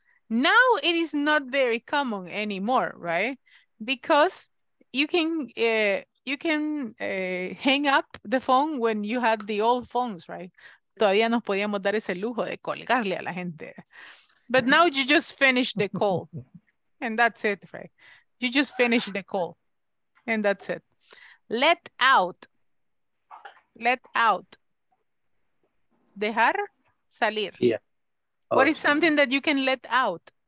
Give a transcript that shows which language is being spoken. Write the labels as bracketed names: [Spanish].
[English] Now it is not very common anymore, right? Because you can hang up the phone when you had the old phones, right? [Spanish] Todavía nos podíamos dar ese lujo de colgarle a la gente. [English] But now you just finish the call. And that's it, right? You just finish the call, and that's it. Let out. Let out. [Spanish] Dejar salir. [English] Yeah. Oh, what is something that you can let out?